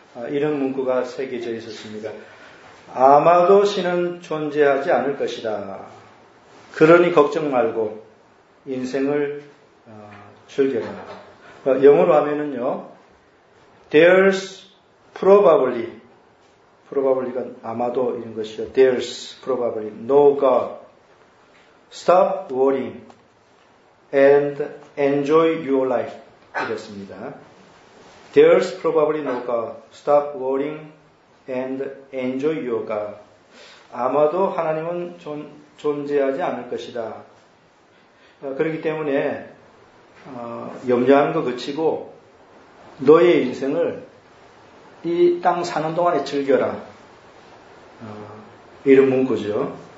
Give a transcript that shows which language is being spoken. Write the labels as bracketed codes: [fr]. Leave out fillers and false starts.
[ko] 이런 문구가 새겨져 있었습니다. 아마도 신은 존재하지 않을 것이다. 그러니 걱정 말고 인생을 즐겨라. 영어로 하면은요, [en] There's probably, [ko] probably가 아마도 이런 것이죠. [en] There's probably no God. Stop worrying and enjoy your life. [ko] 이랬습니다. [en] There's probably no God. Stop worrying and enjoy your God. [ko] 아마도 하나님은 존재하지 않을 것이다. 그렇기 때문에 염려하는 거 그치고 너의 인생을 이 땅 사는 동안에 즐겨라. 이런 문구죠.